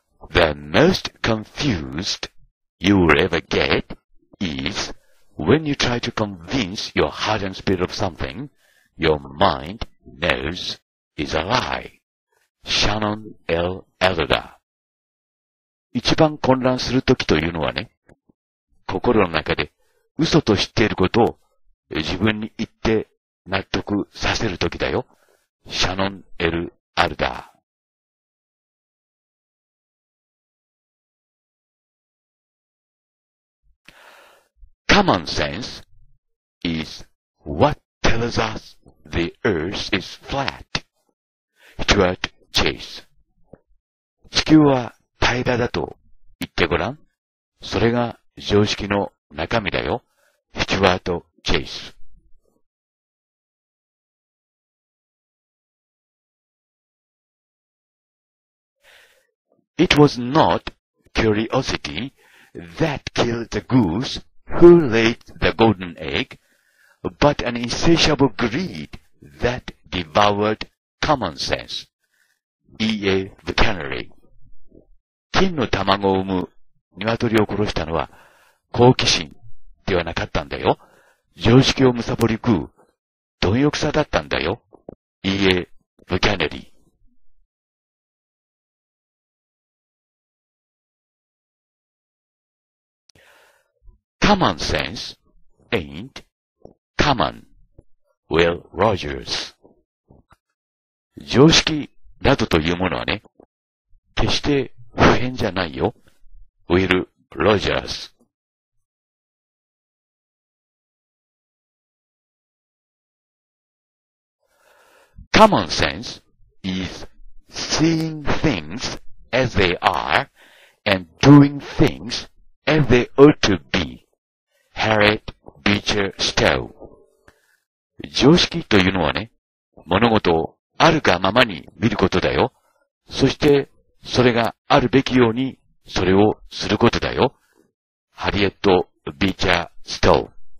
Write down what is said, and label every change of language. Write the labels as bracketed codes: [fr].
[en] The most confused you will ever get is when you try to convince your heart and spirit of something, your mind knows is a lie. Shannon L. Elder. [ja] 一番混乱するときというのはね、心の中で嘘と知っていることを自分に言って納得させるときだよ。 [en] Shannon L. Elder. Common sense is what tells us the earth is flat. Stuart Chase. [ja] 地球は平らだと言ってごらん。それが常識の中身だよ。スチュワート・チェイス。 [en] It was not curiosity that killed the goose who laid the golden egg, but an insatiable greed that devoured common sense. E.A. the Canary. [ja] 金の卵を産む鶏を殺したのは好奇心ではなかったんだよ。常識を貪り食う貪欲さだったんだよ。 [en] E.A. the Canary. Common sense ain't common, Will Rogers. [ja] 常識などというものはね、決して普遍じゃないよ、Will Rogers. [en] Common sense is seeing things as they are and doing things as they ought to be. Harriet Beecher Stowe. [ja] 常識というのはね、物事をあるがままに見ることだよ。そして、それがあるべきように、それをすることだよ。 [en] Harriet Beecher Stowe.